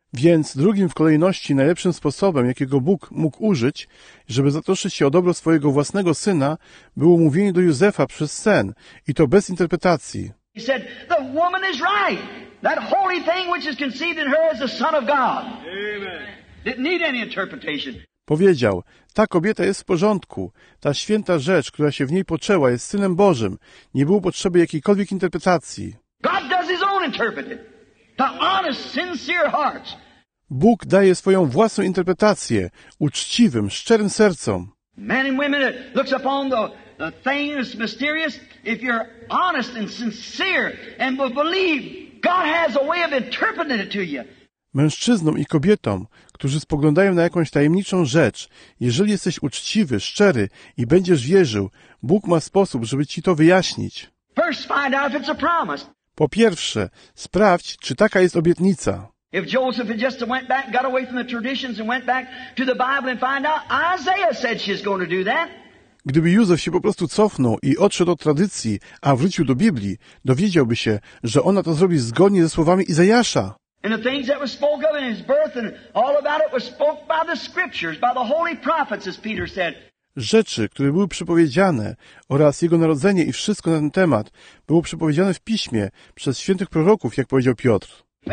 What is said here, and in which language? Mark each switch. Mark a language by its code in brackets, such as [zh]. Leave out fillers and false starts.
[pl] Więc drugim w kolejności najlepszym sposobem, jakiego Bóg mógł użyć, żeby zatroszczyć się o dobro swojego własnego syna, było mówienie do Józefa przez sen, i to bez interpretacji. [en] He said, the woman is right. That holy thing which is conceived in her is the son of God. Amen. Didn't need any interpretation. [pl] Powiedział, ta kobieta jest w porządku. Ta święta rzecz, która się w niej poczęła, jest Synem Bożym. Nie było potrzeby jakiejkolwiek interpretacji. [en] God does his own interpreting. The honest, sincere hearts. [pl] Bóg daje swoją własną interpretację uczciwym, szczerym sercom. [en] Men and women that looks upon the thing that's mysterious, if you're honest and sincere and will believe, God has a way of interpreting it to you. [pl] Mężczyznom i kobietom, którzy spoglądają na jakąś tajemniczą rzecz, jeżeli jesteś uczciwy, szczery i będziesz wierzył, Bóg ma sposób, żeby ci to wyjaśnić. [en] First find out if it's a promise. [pl] Po pierwsze, sprawdź, czy taka jest obietnica. [en] If Joseph had just went back, got away from the traditions and went back to the Bible and find out, Isaiah said she's going to do that. [pl] Gdyby Józef się po prostu cofnął i odszedł od tradycji, a wrócił do Biblii, dowiedziałby się, że ona to zrobi zgodnie ze słowami Izajasza. [en] And the things that were spoken in his birth and all about it were spoken by the scriptures, by the holy prophets, as Peter said. [pl] Rzeczy, które były przepowiedziane oraz jego narodzenie i wszystko na ten temat było przepowiedziane w Piśmie przez świętych proroków, jak powiedział Piotr.